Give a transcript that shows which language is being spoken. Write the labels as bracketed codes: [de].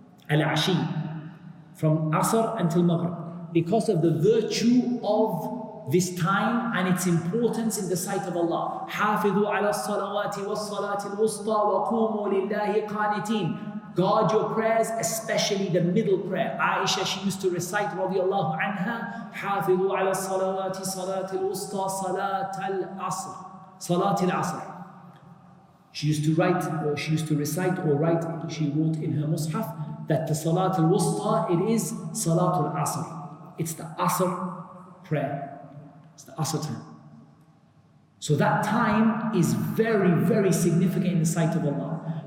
[en] Al-Ashi, from Asr until Maghrib. Because of the virtue of this time and its importance in the sight of Allah. [ar] حَافِذُوا عَلَى الصَّلَوَاتِ وَالصَّلَاتِ الْوُسْطَى وَقُومُوا لِلَّهِ قَانِتِينَ. [en] Guard your prayers, especially the middle prayer. Aisha, she used to recite, radiallahu anha, [ar] حَافِذُوا عَلَى الصَّلَوَاتِ صَلَاتِ الْوُسْطَى صَلَاتَ الْعَصْرِ صَلَاتِ الْعَصْرِ. [en] She used to write, or she used to recite, or write, she wrote in her mushaf, that the Salat al-Wusta, it is Salat al-Asr. It's the Asr prayer. It's the Asr time. So that time is very, very significant in the sight of Allah.